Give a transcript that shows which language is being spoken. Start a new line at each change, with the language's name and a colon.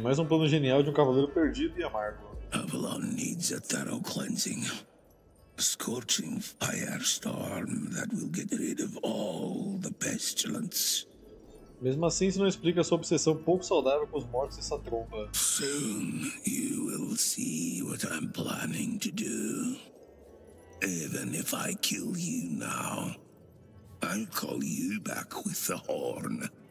Portuguese: Mais um plano genial de um cavaleiro perdido e amargo.
English: Avalon needs a thorough cleansing. A scorching firestorm that will get rid of all the pestilence.
Portuguese: Mesmo assim, isso não explica a sua obsessão pouco saudável com os mortos e essa tromba.
English: Soon you will see what I'm planning to do. Even if I kill you now, I'll call you back with the horn.